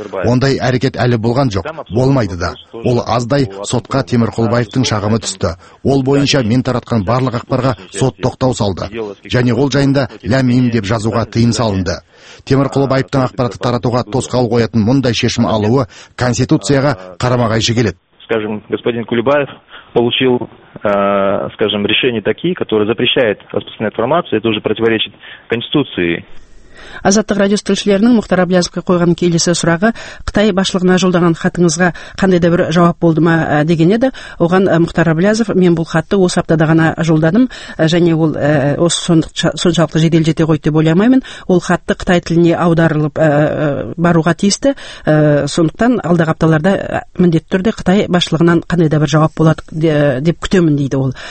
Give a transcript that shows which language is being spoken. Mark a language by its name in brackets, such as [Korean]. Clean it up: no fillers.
[Kazakh] Ондай әрекет әлі болған жоқ. Болмайды да. Ол аздай сотқа Темірқұлбаевтың шағымы түсті. Ол бойынша мен таратқан барлық ақпарға сот тоқтау салды. Және ол жайында ләмейім деп жазуға тыйым салынды. Темірқұлбаевтың ақпаратты таратуға тосқауыл қоятын мұндай шешім алуы конституцияға қарама-қайшы келеді. [Russian] Скажем, господин Кулебаев получил, скажем, решения такие, которые запрещают распространять информацию, это уже противоречит конституции. [Kazakh] Азаттық радиосы тілшілерінің Мұхтар Әбілязовқа қойған келесі сұрағы, Қытай басшылығына жолдаған хатыңызға қандай да бір жауап болды ма деген еді. Оған Мұхтар Әбілязов, мен бұл хатты осы аптада ғана жолдадым, және ол осы соншалықты жедел жете қойды деп ойламаймын. Ол хатты Қытай тіліне аударылып баруға тиісті, сондықтан алдағы апталарда міндетті түрде Қытай басшылығынан қандай да бір жауап болады деп күтемін дейді ол.